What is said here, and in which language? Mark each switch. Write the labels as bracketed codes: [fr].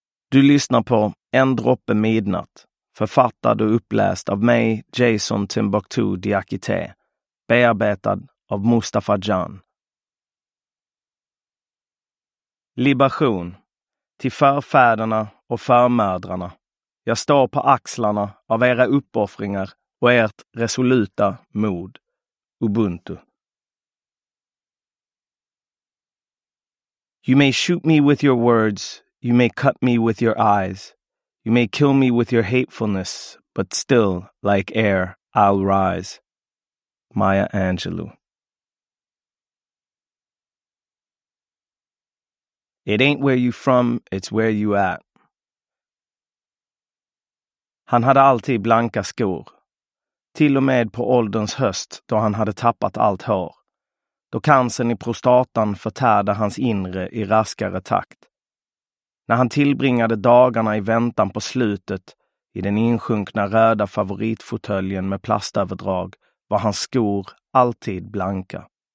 [sv] Du lyssnar på En droppe midnatt, författad och uppläst av mig, Jason Timbuktu Diakité, bearbetad av Mustafa Jan. Libation till förfäderna och förmödrarna. Jag står på axlarna av era uppoffringar och ert resoluta mod. [zu] Ubuntu. [en] You may shoot me with your words, you may cut me with your eyes, you may kill me with your hatefulness, but still, like air, I'll rise. Maya Angelou. It ain't where you from, it's where you at. [sv] Han hade alltid blanka skor, till och med på ålderns höst då han hade tappat allt hår. Då cancern i prostatan förtärde hans inre i raskare takt. När han tillbringade dagarna i väntan på slutet i den insjunkna röda favoritfotöljen med plastöverdrag var hans skor alltid blanka.